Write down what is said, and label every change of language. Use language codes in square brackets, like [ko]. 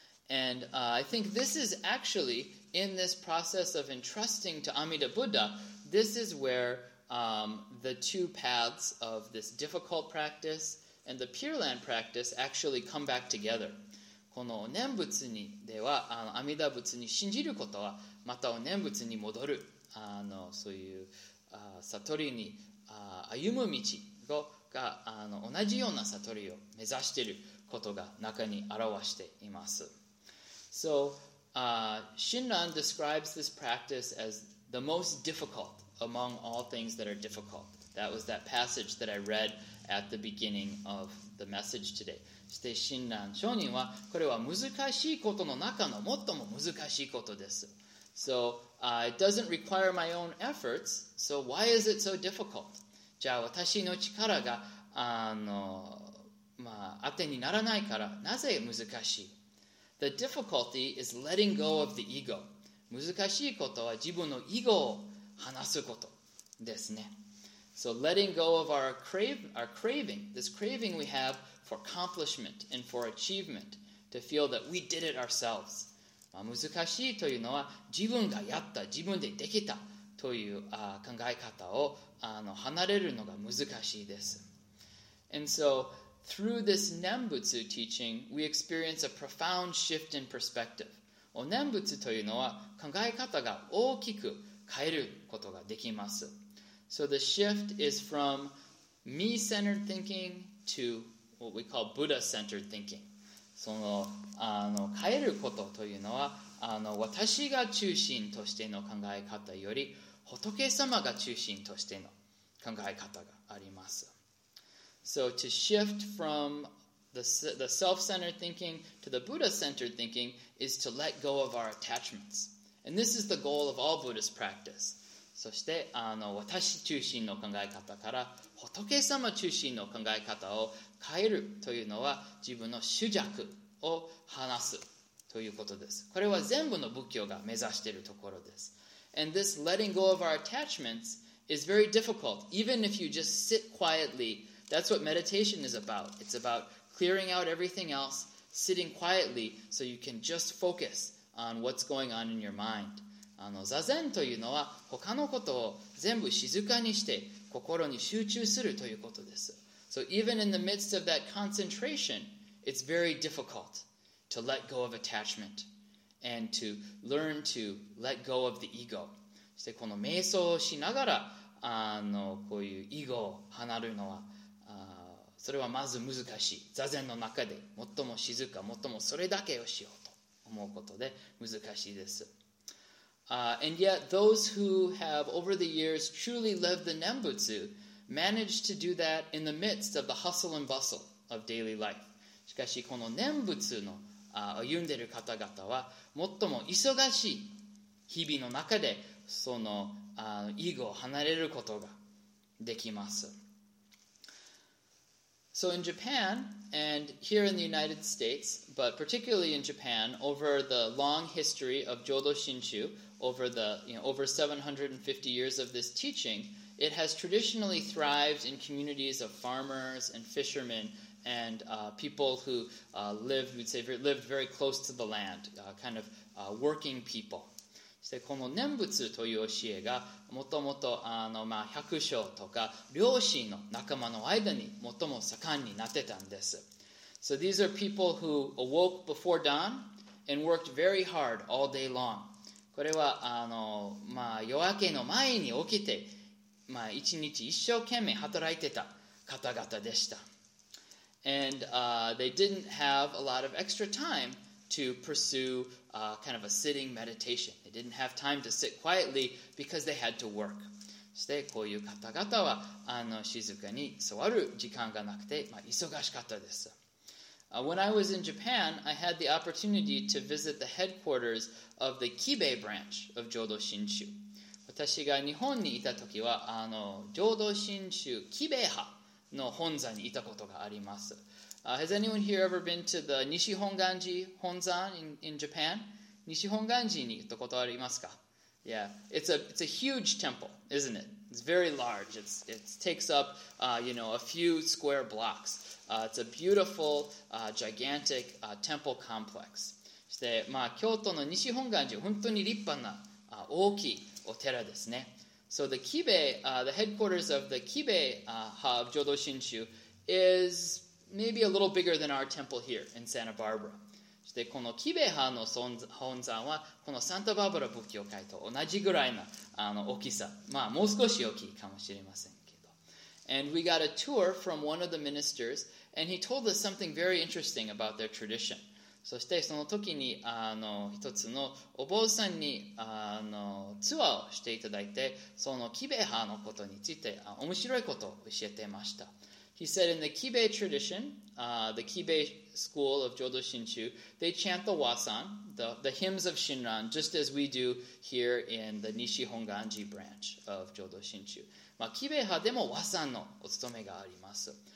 [en] And I think this is actually in this process of entrusting to Amida Buddha, this is where the two paths of this difficult practice and the Pure Land practice actually come back together. [ja] このお念仏にでは阿弥陀仏に信じることはまたお念仏に戻る。そういう悟りに歩む道が同じような悟りを目指していることが中に表しています。 [en] So, Shinran describes this practice as the most difficult among all things that are difficult. That was that passage that I read at the beginning of the message today. [ja] そして Shinran 上人はこれは難しいことの中の最も難しいことです。 [en] So, it doesn't require my own efforts, so why is it so difficult? [ja] じゃあ私の力が当てにならないからなぜ難しい? [en] The difficulty is letting go of the ego. [ja] 難しいことは自分のエゴを放すことですね。 [en] So letting go of our craving, this craving we have for accomplishment and for achievement, to feel that we did it ourselves. [ja] 難しいというのは自分がやった、自分でできたという考え方を離れるのが難しいです。 [en] And so, through this Nembutsu teaching, we experience a profound shift in perspective. [ja] お念仏というのは考え方が大きく変えることができます。 [en] So the shift is from me-centered thinking to what we call Buddha-centered thinking. [ja] その変えることというのは私が中心としての考え方より仏様が中心としての考え方があります。 [en] So to shift from the self-centered thinking to the Buddha-centered thinking is to let go of our attachments. And this is the goal of all Buddhist practice. [ja] そしてあの私中心の考え方から仏様中心の考え方を変えるというのは自分の主弱を話すということです。これは全部の仏教が目指しているところです。 [en] And this letting go of our attachments is very difficult, even if you just sit quietly. That's what meditation is about. It's about clearing out everything else, sitting quietly, so you can just focus on what's going on in your mind. [ja] あの座禅というのは他のことを全部静かにして心に集中するということです。 [en] So even in the midst of that concentration, it's very difficult to let go of attachment and to learn to let go of the ego. [ja] そしてこの瞑想をしながらあのこういうイゴを離れるのはあそれはまず難しい。座禅の中で最も静か、最もそれだけをしようと思うことで難しいです。 [en] And yet those who have over the years truly lived the Nembutsu manage to do that in the midst of the hustle and bustle of daily life. [ja] しかしこの念仏の歩んでいる方々は最も忙しい日々の中でそのイゴを離れることができます。 [en] So in Japan and here in the United States, but particularly in Japan, over the long history of Jodo Shinshu, over the over 750 years of this teaching, it has traditionally thrived in communities of farmers and fishermen and people who lived, we'd say, lived very close to the land, kind of working people. [ja] そしてこの念仏という教えがもともと百姓とか漁師の仲間の間に最も盛んになってたんです。 [en] So these are people who awoke before dawn and worked very hard all day long. [ja] これは夜明けの前に起きて、一日一生懸命働いてた方々でした。 [en] And they didn't have a lot of extra time to pursue kind of a sitting meditation. They didn't have time to sit quietly because they had to work. [ja] そしてこういう方々は静かに座る時間がなくて、忙しかったです。 [en] When I was in Japan, I had the opportunity to visit the headquarters of the Kibei branch of Jodo Shinshu. [ja] 私が日本にいた時は、Jodo Shinshu Kibei 派の本山にいたことがあります。 [en] Has anyone here ever been to the Nishihonganji Honzan in Japan? [ja] Nishihonganji ni itta koto arimasu ka? [en] Yeah, it's a huge temple, isn't it? It's very large. It takes up a few square blocks. It's a beautiful, gigantic temple complex. [ja] そして、京都の西本願寺本当に立派な大きいお寺ですね。 [en] So the Kibei, the headquarters of the Kibei ha of Jodo Shinshu is maybe a little bigger than our temple here in Santa Barbara. [ja] そしてこのキベハの本山はこのサンタバーバラ仏教会と同じぐらいな大きさ、もう少し大きいかもしれませんけど。 [en] And we got a tour from one of the ministers, and he told us something very interesting about their tradition. [ja] そしてその時に一つのお坊さんにツアーをしていただいて、そのキベハのことについて面白いことを教えていました。 [en] He said in the Kibei tradition, the Kibei school of Jodo Shinshu, they chant the Wasan, the hymns of Shinran, just as we do here in the Nishihonganji branch of Jodo Shinshu. [ja] Kibei ha demo Wasan no otsutome ga arimasu.